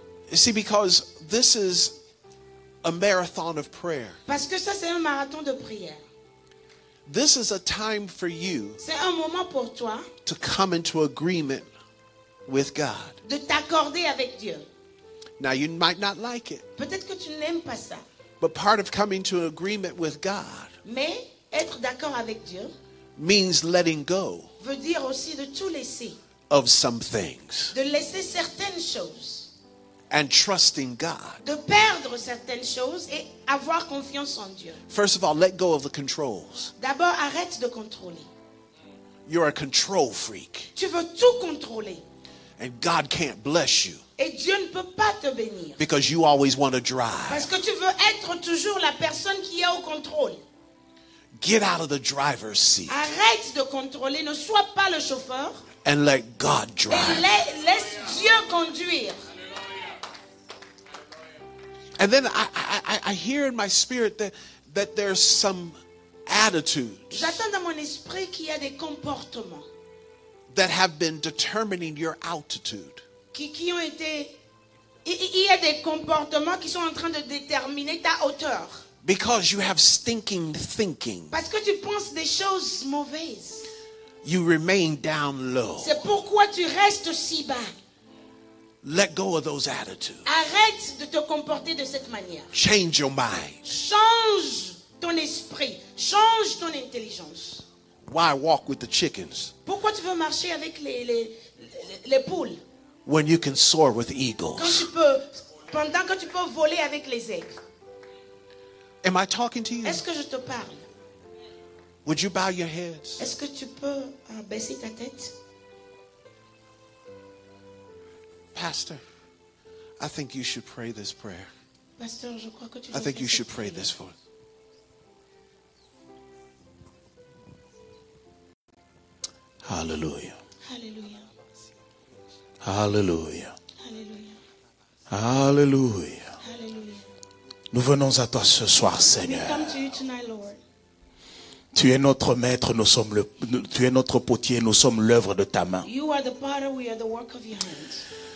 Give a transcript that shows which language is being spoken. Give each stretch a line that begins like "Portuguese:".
English: You see, because this is a marathon of prayer.
French: Parce que ça, c'est un marathon de prière.
English: This is a time for you
French: c'est un moment pour toi
English: to come into agreement with God.
French: De t'accorder avec Dieu.
English: Now, you might not like it.
French: Peut-être que tu n'aimes pas ça.
English: But part of coming to an agreement with God
French: mais être d'accord avec Dieu
English: means letting go
French: veut dire aussi de tout laisser,
English: of some things.
French: De laisser certaines choses,
English: and trusting God.
French: De perdre certaines choses et avoir confiance en Dieu.
English: First of all, let go of the controls.
French: D'abord, arrête de contrôler.
English: You're a control freak.
French: Tu veux tout contrôler.
English: And God can't bless you.
French: Et Dieu ne peut pas te bénir.
English: Because you always want to drive.
French: Parce que tu veux être toujours la personne qui est au contrôle.
English: Get out of the driver's seat.
French: Arrête de contrôler. Ne sois pas le chauffeur.
English: And let God drive.
French: Et laisse Dieu conduire.
English: And then I hear in my spirit that there's some attitudes.
French: J'attends dans mon esprit qu'il y a des comportements
English: that have been determining your altitude.
French: Qui ont été il y a des comportements qui sont en train de déterminer ta hauteur.
English: Because you have stinking thinking.
French: Parce que tu penses des choses mauvaises.
English: You remain down low.
French: C'est pourquoi tu restes si bas.
English: Let go of those attitudes.
French: Arrête de te comporter de cette manière.
English: Change your mind.
French: Change ton esprit. Change ton intelligence.
English: Why walk with the chickens?
French: Pourquoi tu veux marcher avec les poules?
English: When you can soar with eagles.
French: Pendant que tu peux voler avec les aigles.
English: Am I talking to you?
French: Est-ce que je te parle?
English: Would you bow your heads?
French: Est-ce que tu peux baisser ta tête?
English: Pastor, I think you should pray this prayer.
French: Pastor, je crois que tu
English: I think you should pray this for. Hallelujah. Hallelujah. Hallelujah. Hallelujah. Hallelujah. Hallelujah.
French: Nous venons à toi ce soir, Seigneur.
English: We come to you tonight, Lord.
French: Tu es notre maître, nous sommes tu es notre potier, nous sommes l'œuvre de ta main.
English: You are the potter, we are the work of your hands.